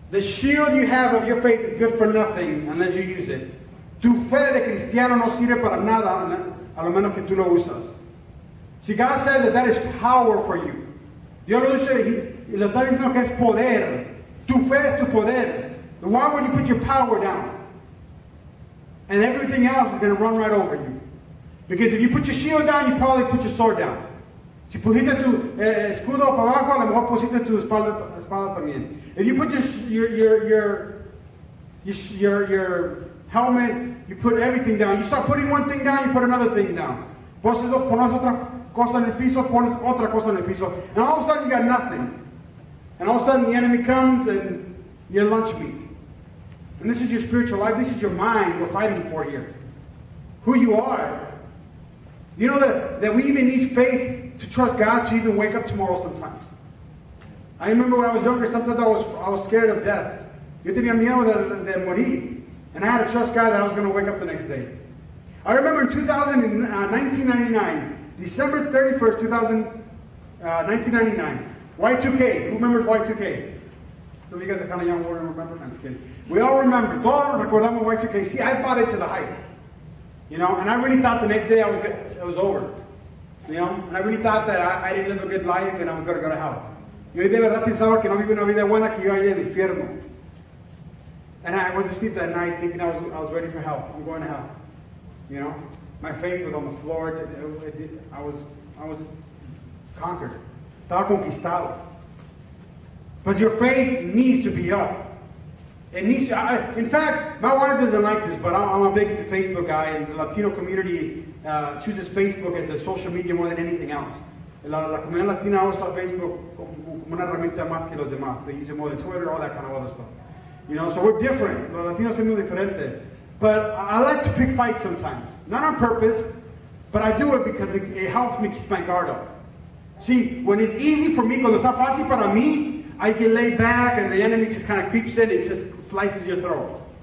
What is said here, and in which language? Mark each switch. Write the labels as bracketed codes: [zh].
[en] The shield you have of your faith is good for nothing unless you use it. [es] Tu fe de cristiano no sirve para nada a lo menos que tú lo usas. [en] See, God says that that is power for you. [es] Dios lo dice, y lo está diciendo que es poder. Tu fe es tu poder. [en] Why would you put your power down? And everything else is going to run right over you. Because if you put your shield down, you probably put your sword down. [es] Si pusiste tu escudo para abajo, a lo mejor pusiste tu espada también. [en] If you put your helmet, you put everything down. You start putting one thing down, you put another thing down. [es] Pones otra cosa en el piso, pones otra cosa en el piso. [en] And all of a sudden, you got nothing. And all of a sudden, the enemy comes and you're lunch meat. And this is your spiritual life. This is your mind we're fighting for here. Who you are. You know that we even need faith to trust God to even wake up tomorrow sometimes. I remember when I was younger, sometimes I was scared of death. [es] Yo tenía miedo de morir. [en] And I had to trust God that I was going to wake up the next day. I remember in 1999, December 31st, 1999, Y2K. Who remembers Y2K? Some of you guys are kind of young, won't remember. I'm just kidding. We all remember. [es] Todos recordamos Y2K. [en] See, I bought into the hype. You know, and I really thought the next day it was over. You know, and I really thought that I didn't live a good life and I was going to go to hell. [es] Yo de verdad pensaba que no vivía una vida buena, que iba a ir al infierno. [en] And I went to sleep that night thinking I was ready for hell. I'm going to hell. You know, my faith was on the floor. I was conquered. [es] Estaba conquistado. [en] But your faith needs to be up. It needs to. In fact, my wife doesn't like this, but I'm a big Facebook guy, and the Latino community chooses Facebook as a social media more than anything else. [es] La comunidad latina usa Facebook como una herramienta más que los demás. [en] They use it more than Twitter, all that kind of other stuff. You know, so we're different. [es] Los latinos somos diferentes. [en] But I like to pick fights sometimes. Not on purpose, but I do it because it helps me keep my guard up. See, when it's easy for me, [es] cuando está fácil para mí, [en] I get laid back and the enemy just kind of creeps in and it just slices your throat.